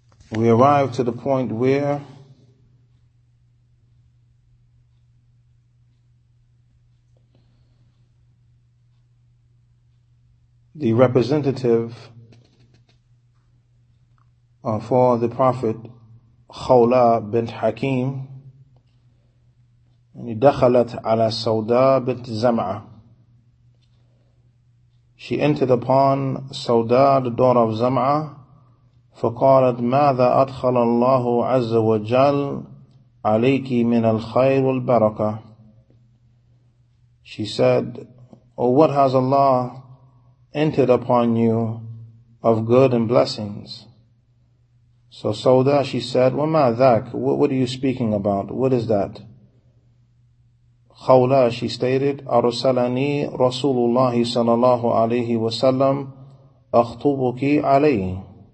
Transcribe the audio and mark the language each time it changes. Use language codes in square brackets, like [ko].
[en] We arrived to the point where the representative for the Prophet, Khawla bint Hakim, [ar] دخلت على سودا بنت زمعة. [en] She entered upon سودا, the daughter of زمعة. [ar] فقالت ماذا أدخل الله عز وجل عليك من الخير والبركة. [en] She said, oh, what has Allah entered upon you of good and blessings? So Sauda, she said, [ar] وما ذاك, [en] what are you speaking about? What is that? Khawla, she stated, [ar] أرسلني رسول الله صلى الله عليه وسلم أخطبك عليه.